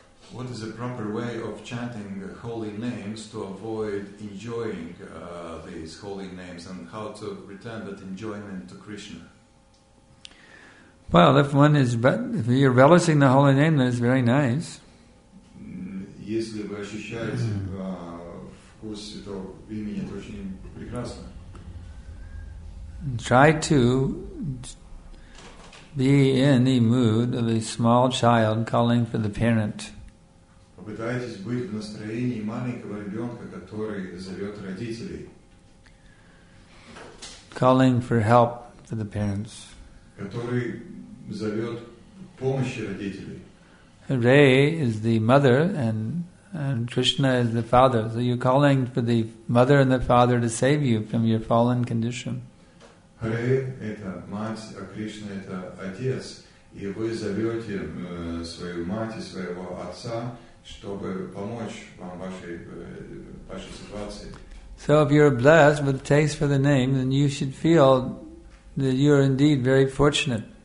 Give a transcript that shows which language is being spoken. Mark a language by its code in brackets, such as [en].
[en] What is the proper way of chanting holy names to avoid enjoying these holy names, and how to return that enjoyment to Krishna? Well, if one is, if you're relishing the holy name, then it's very nice. [ru] Если вы ощущаете вкус святого имени, это очень прекрасно. [en] Try to be in the mood of a small child calling for the parent. [ru] Пытаетесь быть в настроении маленького ребенка, который зовет родителей. [en] Calling for help for the parents. [ru] Который зовет помощи родителей. [en] Ray is the mother and Krishna is the father. So you're calling for the mother and the father to save you from your fallen condition. [ru] Ray – это мать, а Кришна – это отец. И вы зовете свою мать и своего отца, чтобы помочь вам вашей ситуации. [en] So if you're blessed with taste for the name, then you should feel that you are indeed very fortunate.